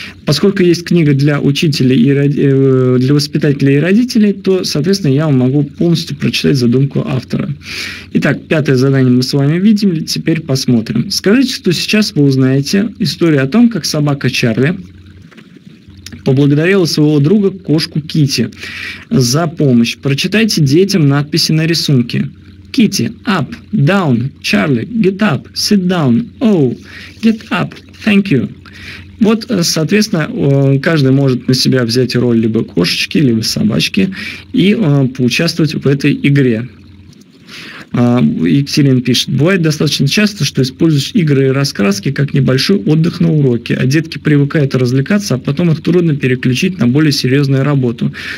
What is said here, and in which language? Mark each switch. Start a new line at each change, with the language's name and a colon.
Russian: Поскольку есть книга для учителей, для воспитателей и родителей, то, соответственно, я вам могу полностью прочитать задумку автора. Итак, пятое задание мы с вами видим, теперь посмотрим. Скажите, что сейчас вы узнаете историю о том, как собака Чарли поблагодарила своего друга кошку Китти за помощь. Прочитайте детям надписи на рисунке.
English: Китти, up, down, Charlie, get up, sit down, oh, get up, thank you.
Russian: Вот, соответственно, каждый может на себя взять роль либо кошечки, либо собачки и поучаствовать в этой игре. Екатерина пишет: «Бывает достаточно часто, что используешь игры и раскраски как небольшой отдых на уроке, а детки привыкают развлекаться, а потом их трудно переключить на более серьезную работу.